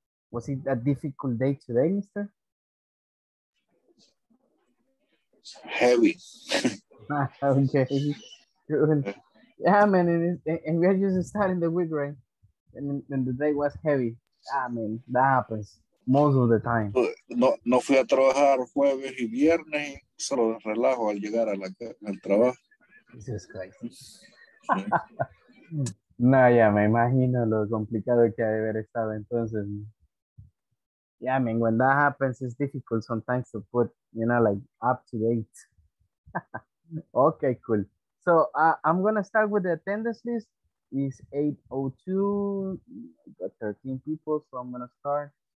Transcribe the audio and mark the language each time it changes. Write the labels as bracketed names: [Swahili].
[English] Was it a difficult day today, mister? Heavy. Okay, good. Yeah, man, and we're just starting the week, right? And the day was heavy. Ah, man, that happens most of the time. [Spanish] No fui a trabajar jueves y viernes, solo relajo al llegar al trabajo. [English] Jesus Christ. [Spanish] No, ya me imagino lo complicado que ha de haber estado entonces. [English] Yeah, man, when that happens, it's difficult sometimes to put, you know, like up to date. Okay, cool. So I'm going to start with the attendance list. It's 8:02, got 13 people, so I'm gonna start.